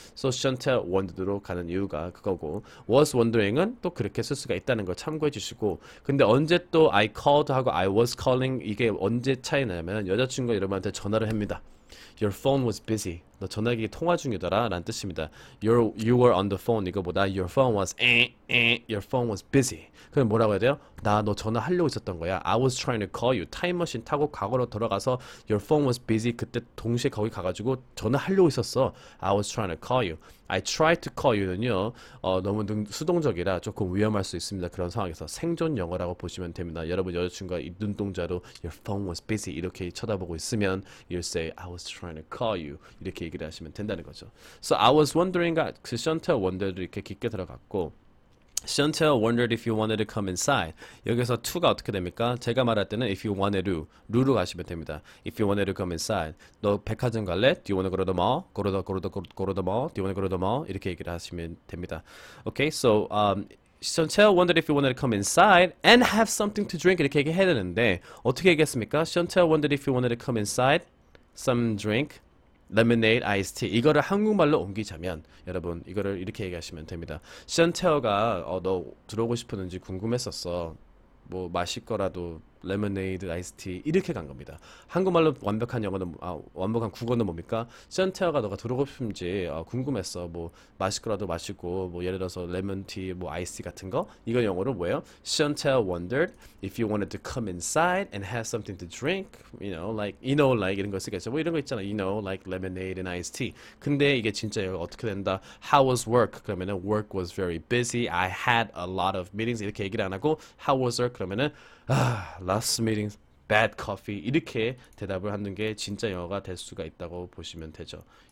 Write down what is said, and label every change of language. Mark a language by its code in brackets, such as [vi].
[en] So Chantel wondered [ko] 로 가는 이유가 그거고 [en] was wondering [ko] 은 또 그렇게 쓸 수가 있다는 걸 참고해 주시고 근데 언제 또 [en] I called [ko] 하고 [en] I was calling [ko] 이게 언제 차이 나냐면 여자친구 여러분한테 전화를 합니다. [en] Your phone was busy. [ko] 너 전화기 통화 중이더라 라는 뜻입니다. [en] You were on the phone [ko] 이거보다 [en] Your phone was Your phone was busy. [ko] 그럼 뭐라고 해야 돼요? 나 너 전화하려고 있었던 거야. [en] I was trying to call you. [ko] 타임머신 타고 과거로 돌아가서 [en] Your phone was busy. [ko] 그때 동시에 거기 가가지고 전화하려고 있었어. [en] I was trying to call you. I tried to call you는요. [ko] 너무 수동적이라 조금 위험할 수 있습니다. 그런 상황에서 생존 영어라고 보시면 됩니다. 여러분 여자친구가 이 눈동자로 [en] Your phone was busy [ko] 이렇게 쳐다보고 있으면 [en] You'll say I was trying to call you. [ko] 이렇게 얘기를 하시면 된다는 거죠. [en] So I was wondering가 그 Chantel wondered [ko] 이렇게 깊게 들어갔고 [en] Chantel wondered if you wanted to come inside. [ko] 여기서 to가 어떻게 됩니까? 제가 말할 때는 [en] if you wanted to, to [ko] 로 가시면 됩니다. [en] If you wanted to come inside. [ko] 너 백화점 갈래? [en] Do you want to go to the mall? Do you want to go to the mall? [ko] 이렇게 얘기를 하시면 됩니다. [en] Okay, so Chantel wondered if you wanted to come inside and have something to drink. [ko] 이렇게 얘기해야 되는데 어떻게 얘기했습니까? [en] Chantel wondered if you wanted to come inside some drink. Lemonade, iced tea. [ko] 이거를 한국말로 옮기자면 여러분 이거를 이렇게 얘기하시면 됩니다. 션테어가 너 들어오고 싶었는지 궁금했었어. 뭐 마실 거라도 레모네이드, 아이스티 이렇게 간 겁니다. 한국말로 완벽한 영어는 완벽한 국어는 뭡니까? 션테어가 너가 들어오고 싶은지 궁금했어. 뭐 마실 거라도 마시고 뭐 예를 들어서 레몬티, 뭐 아이스티 같은 거 이건 영어로 뭐예요? [en] Chantel wondered if you wanted to come inside and have something to drink. You know, like [ko] 이런 거 쓰겠죠. 뭐 이런 거 있잖아. [en] You know, like lemonade and iced tea. [ko] 근데 이게 진짜 어떻게 된다? [en] How was work? 그러면은 work was very busy. I had a lot of meetings. [ko] 이렇게 얘기를 안 하고 [en] How was work? [ko] 그러면은 [en] last meetings, bad coffee [ko] 이렇게 대답을 하는 게 진짜 영어가 될 수가 있다고 보시면 되죠.